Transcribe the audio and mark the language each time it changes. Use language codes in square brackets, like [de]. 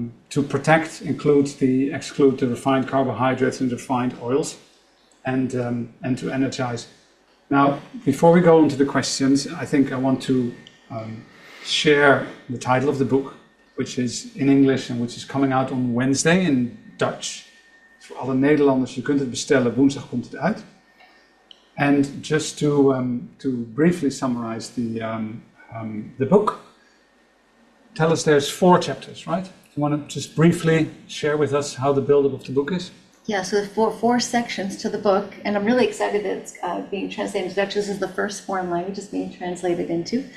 [en] To protect includes the exclude the refined carbohydrates and refined oils, and to energize. Now, before we go into the questions, I think I want to share the title of the book, which is in English and which is coming out on Wednesday in Dutch. [nl] For alle Nederlanders, you kunt het bestellen, woensdag komt het uit. [en] And just to briefly summarize the book, tell us there's four chapters, right? You want to just briefly share with us how the buildup of the book is? Yeah, so four sections to the book, and I'm really excited that it's being translated into Dutch. This is the first foreign language it's being translated into.